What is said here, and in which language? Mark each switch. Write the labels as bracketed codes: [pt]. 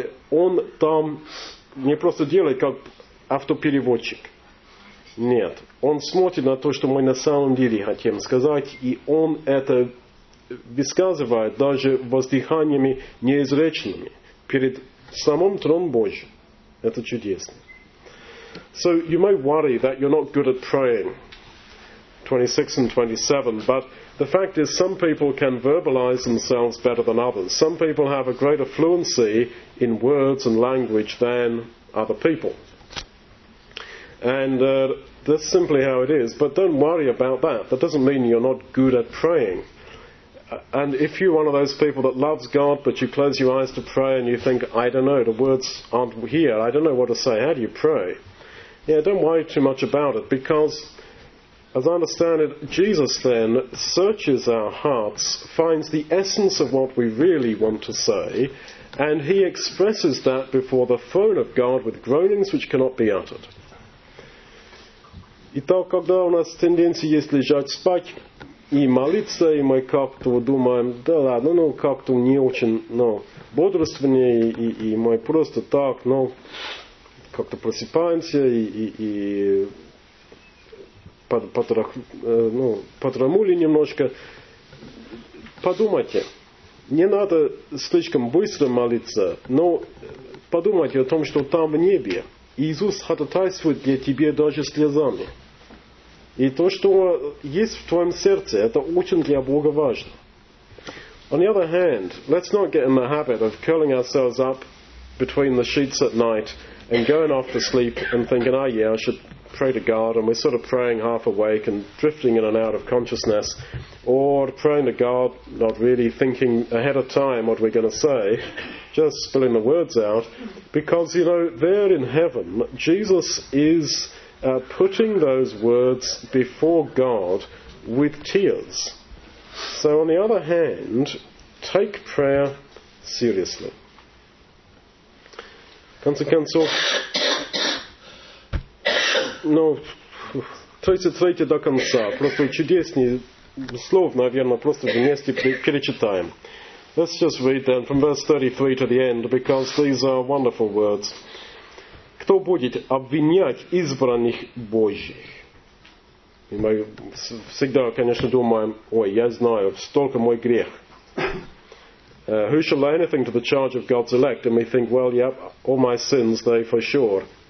[ru] Он там не просто делает как автопереводчик. Нет, он смотрит на то, что мы на самом деле хотим сказать, и он это высказывает даже воздыханиями неизреченными перед самым троном Божьим. Это чудесно. [en] So you may worry that you're not good at praying, 26 and 27, but the fact is some people can verbalize themselves better than others. Some people have a greater fluency in words and language than other people. And that's simply how it is. But don't worry about that. That doesn't mean you're not good at praying. And if you're one of those people that loves God, but you close your eyes to pray and you think, I don't know, the words aren't here, I don't know what to say, how do you pray? Yeah, don't worry too much about it, because as I understand it, Jesus then searches our hearts, finds the essence of what we really want to say, and he expresses that before the throne of God with groanings which cannot be uttered. [ru] Итак, когда у нас тенденция есть лежать спать и молиться, и мы как-то думаем, да ладно, ну как-то не очень, ну, бодрствование, и мы просто так, ну, как-то просыпаемся, и подрамули немножко. Подумайте, не надо слишком быстро молиться, но подумайте о том, что там в небе Иисус ходатайствует для тебя даже слезами. И то, что есть в твоем сердце, это очень для Бога важно. [en] On the other hand, let's not get in the habit of curling ourselves up between the sheets at night and going off to sleep and thinking, oh yeah, I should pray to God, and we're sort of praying half awake and drifting in and out of consciousness, or praying to God, not really thinking ahead of time what we're going to say, just spilling the words out, because, you know, there in heaven, Jesus is putting those words before God with tears. So on the other hand, take prayer seriously. [ru] В конце концов, ну, 33 до конца, просто чудесный слов, наверное, просто вместе перечитаем. [en] Let's just read then from verse 33 to the end, because these are wonderful words. [ru] Кто будет обвинять избранных Божьих? И мы всегда, конечно, думаем, ой, я знаю, столько мой грех. [en] Who shall lay anything to the charge of God's elect? And we think, well, yep, all my sins, they for sure.